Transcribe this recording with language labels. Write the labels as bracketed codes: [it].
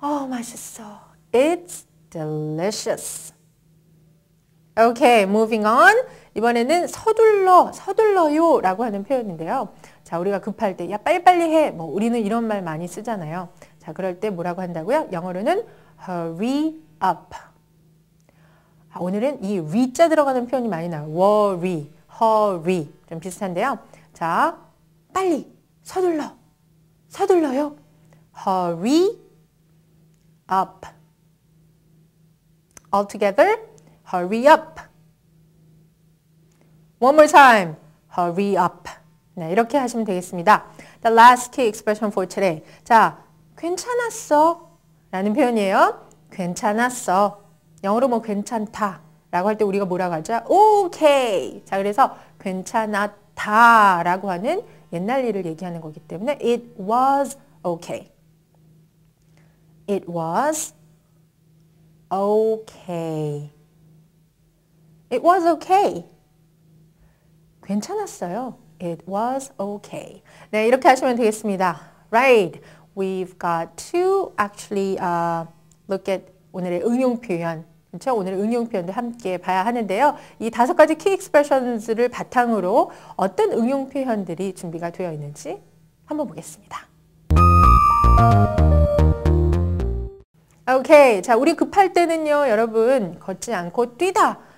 [ko] 맛있어. [en] It's delicious. Okay, moving on. [ko] 이번에는 서둘러, 서둘러요 라고 하는 표현인데요. 자, 우리가 급할 때, 야, 빨리빨리 해. 뭐, 우리는 이런 말 많이 쓰잖아요. 자, 그럴 때 뭐라고 한다고요? 영어로는 [en] hurry up. [ko] 아, 오늘은 이 위자 들어가는 표현이 많이 나와요. worry, hurry. 좀 비슷한데요. 자, 빨리, 서둘러, 서둘러요. [en] hurry up. Altogether. Hurry up. One more time. Hurry up. [ko] 네, 이렇게 하시면 되겠습니다. [en] The last key expression for today. [ko] 자, 괜찮았어 라는 표현이에요. 괜찮았어. 영어로 뭐 괜찮다 라고 할때 우리가 뭐라고 하죠? [en] Okay. [ko] 자, 그래서 괜찮았다 라고 하는 옛날 일을 얘기하는 거기 때문에 [en] It was okay. It was okay. It was okay. [ko] 괜찮았어요. [en] It was okay. [ko] 네, 이렇게 하시면 되겠습니다. [en] Right. We've got to actually look at [ko] 오늘의 응용 표현. 그렇죠? 오늘의 응용 표현도 함께 봐야 하는데요. 이 다섯 가지 key expressions를 바탕으로 어떤 응용 표현들이 준비가 되어 있는지 한번 보겠습니다. [en] Okay. [ko] 자, 우리 급할 때는요, 여러분, 걷지 않고 뛰다.